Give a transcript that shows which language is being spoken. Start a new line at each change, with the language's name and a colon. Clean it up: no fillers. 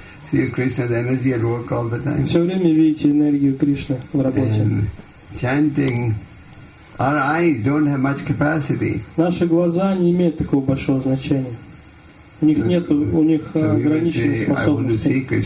English: See Krishna's energy at work all the time.
Russian: Все время видите энергию Кришны в работе.
English: And chanting, our eyes don't have much capacity.
Russian: Наши глаза не имеют такого большого значения. У них нет, у них ограниченных способностей.